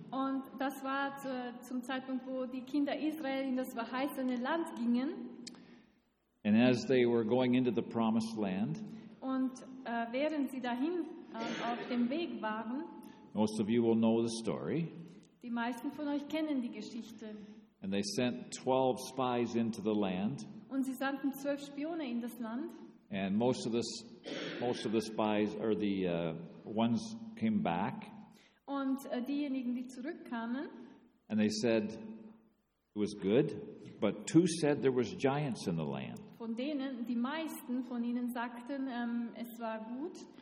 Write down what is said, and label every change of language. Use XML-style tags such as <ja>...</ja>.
<de>Und das war zum Zeitpunkt, wo die Kinder Israel in das verheißene Land gingen.</de> <en>And as they were going into the promised land,</en> <de>und während sie dahin auf dem Weg waren,</de> <en>most of you will know the story.</en> <de>Die meisten von euch kennen die Geschichte.</de> <en>And they sent 12 spies into the land.</en> <de>Und sie sandten 12 Spione in das Land.</de> <en>And most of the spies or the ones came back.</en> <de>Und diejenigen, die zurückkamen.</de> <en>And they said it was good, but two said there was giants in the land.</en> <de>Von denen, die meisten von ihnen sagten, es war gut.</de>